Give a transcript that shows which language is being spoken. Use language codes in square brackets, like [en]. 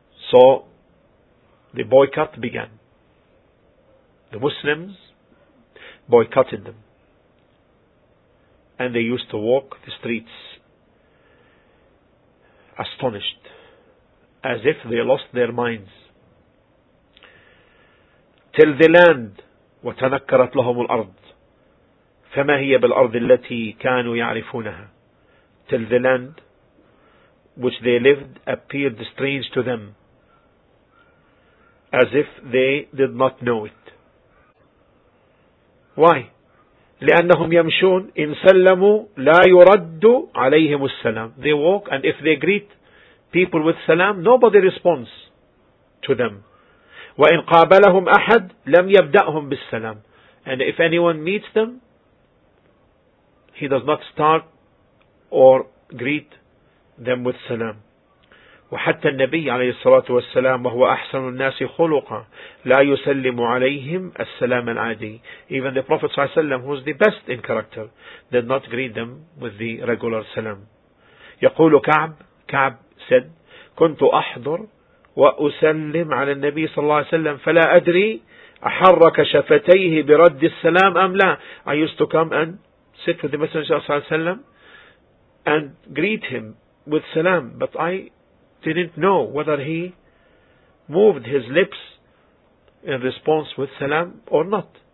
[en] So the boycott began. The Muslims boycotted them, and they used to walk the streets astonished, as if they lost their minds, till the land [ar] وَتَنَكَّرَتْ لَهُمُ الْأَرْضِ فَمَا هِيَ بِالْأَرْضِ الَّتِي كَانُوا يَعْرِفُونَهَا. [en] Till the land which they lived appeared strange to them, as if they did not know it. Why? [ar] لأنهم يمشون إن سلموا لا يرد عليهم السلام. [en] They walk, and if they greet people with salam, nobody responds to them. [ar] وَإِنْ قَابَلَهُمْ أَحَدْ لَمْ يَبْدَأْهُمْ بِالسَّلَامِ. [en] And if anyone meets them, he does not start or greet them with salam. [ar] وَحَتَّى النَّبِيَّ عَلَيْهِ الصَّلَاةُ وَالسَّلَامُ وَهُوَ أَحْسَنُ النَّاسِ خُلُقًا لَا يُسَلِّمُ عَلَيْهِمْ السَّلَامَ الْعَادِيِّ. [en] Even the Prophet صلى الله عليه وسلم, who is the best in character, did not greet them with the regular salam. [ar] يقول كعب, كعب [en] said, [ar] كنت أحضر وأسلم على النبي صلى الله عليه وسلم فلا أدري أحرك شفتيه برد السلام أم لا. [en] I used to come and sit with the Messenger صلى الله عليه وسلم and greet him with salam, but I didn't know whether he moved his lips in response with salam or not.